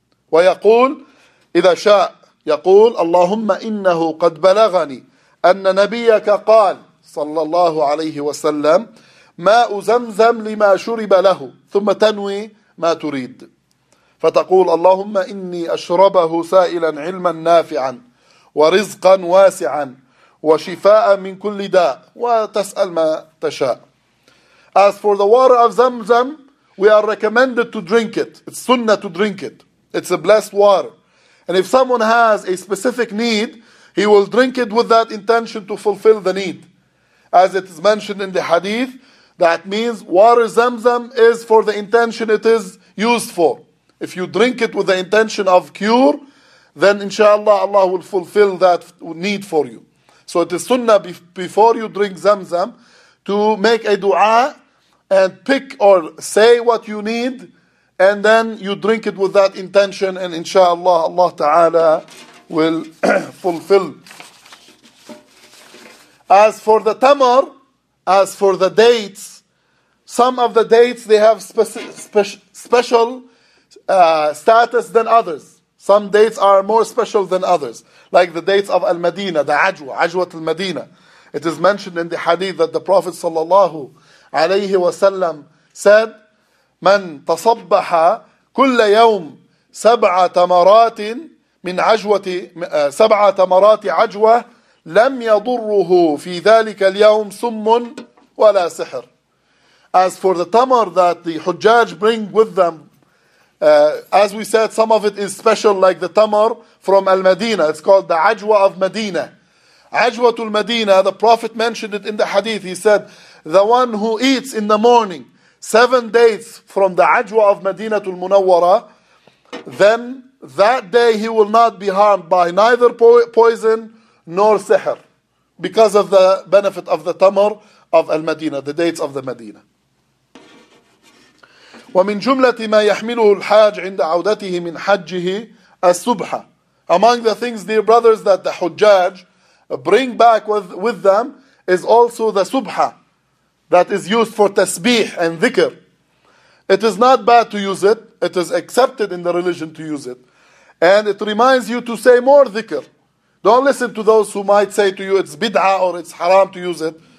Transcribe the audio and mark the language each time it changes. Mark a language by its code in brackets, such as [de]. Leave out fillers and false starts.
[ar] ويقول إذا شاء، يقول: اللهم إنه قد بلغني أن نبيك قال صلى الله عليه وسلم: ماء زمزم لما شرب له، ثم تنوي ما تريد، فتقول: اللهم إني أشربه سائلا علما نافعا ورزقا واسعا وشفاء من كل داء، وتسأل ما تشاء. [en] As for the water of Zamzam, we are recommended to drink it. It's sunnah to drink it. It's a blessed water. And if someone has a specific need, he will drink it with that intention to fulfill the need. As it is mentioned in the hadith, that means water Zamzam is for the intention it is used for. If you drink it with the intention of cure, then inshallah Allah will fulfill that need for you. So it is sunnah before you drink Zamzam to make a dua and pick or say what you need, and then you drink it with that intention, and inshallah Allah Ta'ala will fulfill. As for the tamar, as for the dates, some of the dates they have special status than others. Some dates are more special than others, like the dates of Al-Madina, the Ajwa, Ajwat Al-Madina. It is mentioned in the hadith that the Prophet sallallahu alayhi wa sallam said, [ar] من تصبح كل يوم سبع تمرات من عجوة سبع تمرات عجوة لم يضره في ذلك اليوم سم ولا سحر. [en] As for the tamar that the Hujjaj bring with them, as we said, some of it is special, like the tamar from Al-Madina. It's called the Ajwa of Medina. Ajwatul Medina, the Prophet mentioned it in the hadith. He said, the one who eats in the morning 7 dates from the Ajwa of Madinatul Munawwara, then that day he will not be harmed by neither poison nor sihr, because of the benefit of the tamar of Al-Madina, the dates of the Medina. [ar] ومن جملة ما يحمله الحاج عند عودته من حجه السبحة. [en] Among the things, dear brothers, that the Hujjaj bring back with them is also the subha that is used for tasbih and dhikr. It is not bad to use it. It is accepted in the religion to use it. And it reminds you to say more dhikr. Don't listen to those who might say to you it's bid'ah or it's haram to use it.